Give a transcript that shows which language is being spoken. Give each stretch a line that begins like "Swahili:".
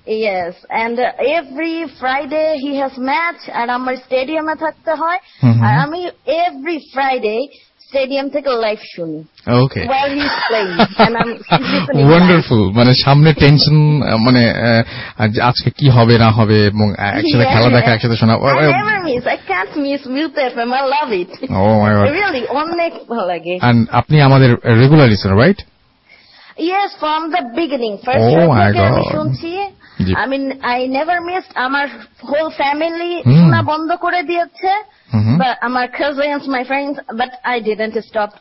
English: Yes, and every Friday he has match at our stadium. And I every Friday stadium take a live show. Okay. While he's playing. And I'm wonderful.
Bangla: মানে সামনে tension, মানে আজকে কি হবে না হবে এবং একসাথে খেলা দেখা, একসাথে শোনা।
English: I never miss. I can't miss Mute FM. I love it. Oh my God. Really,
Bangla: অনেক ভালো লাগে।
English: And
Bangla: আপনি আমাদের
English: regular listener, right? Yes, from the beginning. First oh my God. Yep. I mean, I never missed. Our whole family
Bangla: shuna bondho kore diyeche,
English: but our cousins, my friends, but I didn't stop.